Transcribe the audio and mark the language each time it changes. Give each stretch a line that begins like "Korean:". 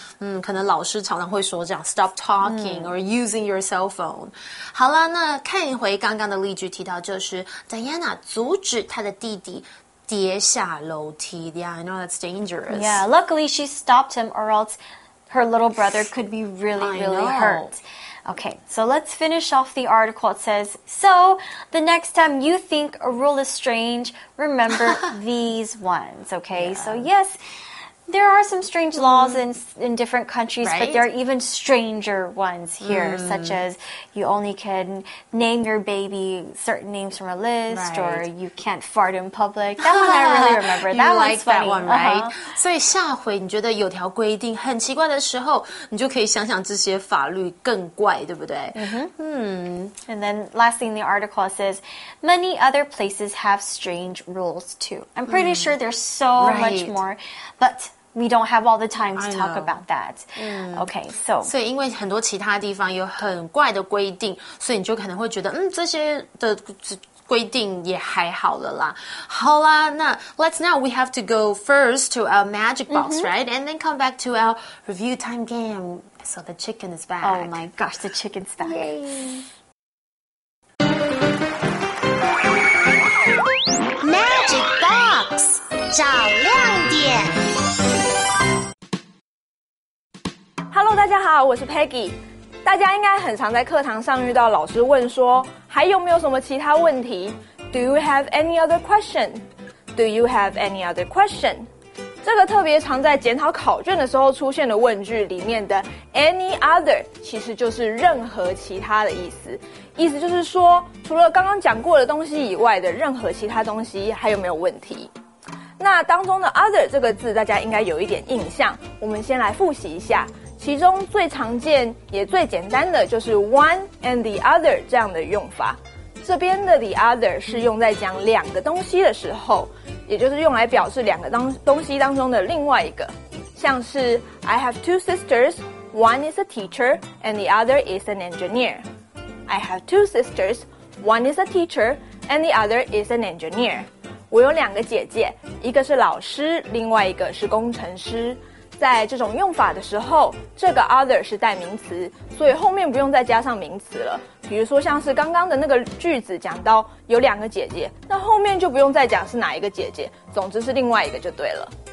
Chinese: 嗯，可能老师常常会说这样 ,
English: stop talking,or using your cell phone.
Chinese: 好啦，那看一回刚刚的例句提到就是 Diana 阻止她的弟弟跌下楼梯。
English: Yeah, I know that's dangerous. Yeah, luckily she stopped him or else her little brother could be really, really hurt. Okay, so let's finish off the article. It says, so the next time you think a rule is strange, remember these ones, okay? Yeah. So yes, there are some strange laws in different countries, right? But there are even stranger ones here, such as you only can name your baby certain names from a list, right. Or you can't fart in public. That one I really remember. That one's like funny. That one, right?
Chinese: So 下回你觉得有条规定很奇怪的时候，你就可以想想这些法律更怪，对不对？
English: And then last thing in the article says, many other places have strange rules too. I'm pretty sure there's so much more, but we don't have all the time to talk about that. Okay, so.
Chinese: 所以因为很多其他地方有很怪的规定，所以你就可能会觉得，这些的规定也还好了啦。好啦，那
English: let's now we have to go first to our magic box, right? And then come back to our review time game. So the chicken is back. Oh my gosh, the chicken's back. Yay. Magic box.
Chinese: 找亮点。家好，我是 Peggy。大家应该很常在课堂上遇到老师问说，还有没有什么其他问题？
English: Do you have any other question? Do you have any other question?
Chinese: 这个特别常在检讨考卷的时候出现的问句里面的 any other 其实就是任何其他的意思，意思就是说除了刚刚讲过的东西以外的任何其他东西还有没有问题。那当中的 other 这个字大家应该有一点印象，我们先来复习一下，其中最常见也最简单的就是 one and the other 这样的用法。这边的 the other 是用在讲两个东西的时候，也就是用来表示两个东西当中的另外一个，像是
English: I have two sisters, one is a teacher and the other is an engineer. I have two sisters, one is a teacher and the other is an engineer.
Chinese: 我有两个姐姐，一个是老师，另外一个是工程师。在这种用法的时候，这个 other 是代名词，所以后面不用再加上名词了。比如说像是刚刚的那个句子讲到有两个姐姐，那后面就不用再讲是哪一个姐姐，总之是另外一个就对了。